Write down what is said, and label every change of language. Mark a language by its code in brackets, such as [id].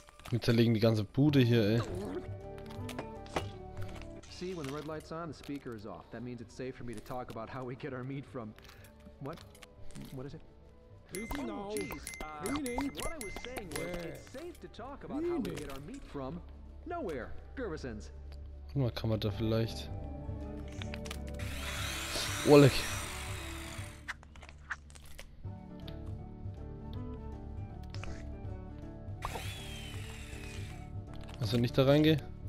[de] Wir zerlegen die ganze Bude hier, ey. [en] See, when the red light's on, the speaker is off. That means it's safe for me to talk about how we get our meat from... What? What is it? Easy now. Oh, jeez. What I was saying was, yeah. It's safe to talk about how we get our meat from... Nowhere, Gervisons. [de] Guck mal, kann man da vielleicht... Wolleck. Also nicht da reingehen?